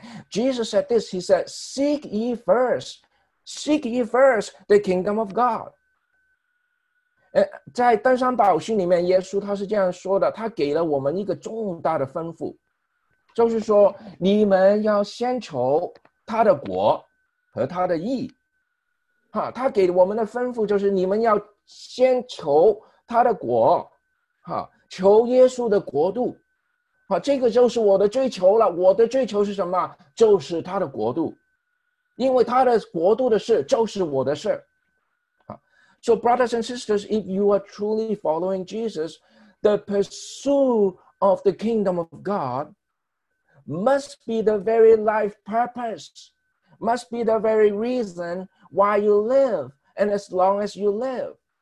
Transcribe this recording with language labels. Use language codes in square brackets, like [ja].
[en] Jesus said this, he said, seek ye first the kingdom of God. [zh] 在登山宝训里面，耶稣他是这样说的，他给了我们一个重大的吩咐，就是说你们要先求他的国和他的义。他给我们的吩咐就是你们要先求他的国，求耶稣的国度。这个就是我的追求了。我的追求是什么？就是他的国度，因为他的国度的事就是我的事。 [en] So brothers and sisters, if you are truly following Jesus, the pursuit of the kingdom of GodMust be the very life purpose, must be the very reason why you live, and as long as you live.